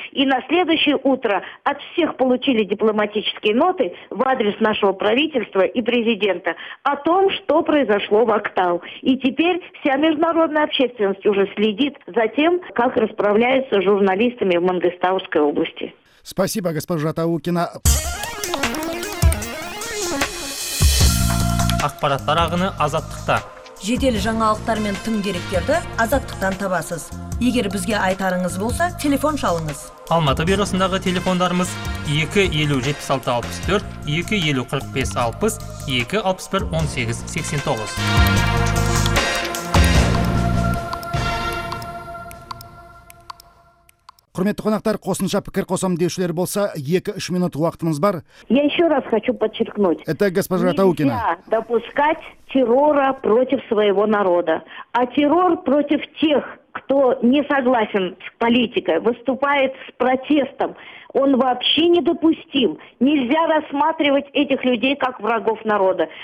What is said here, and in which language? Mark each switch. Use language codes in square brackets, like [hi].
[ru] И на следующее утро от всех получили дипломатические ноты в адрес нашего правительства и президента о том, что произошло в Актау. И теперь вся международная общественность уже следит за тем, как расправляются с журналистами в Мангыстауской области. Спасибо, госпожа Таукина. [kk] Ақпарат тарағыны азаттықта. Жедел жаңалықтар мен тың деректерді азаттықтан табасыз. Егер бізге айтарыңыз болса, телефон шалыңыз. Алматы бюросындағы телефондарымыз 257664, 25460, 261-18-89. Құрметті қонақтар, қосымша пікір қосам деушілер болса, 2-3 минут уақытымыз бар. [ru] Я еще раз хочу подчеркнуть. Это госпожа Таукина. Нельзя допускать террора против своего народа. А террор против тех, кто не согласен с политикой, выступает с протестом, он вообще недопустим. Нельзя рассматривать этих людей как врагов народа.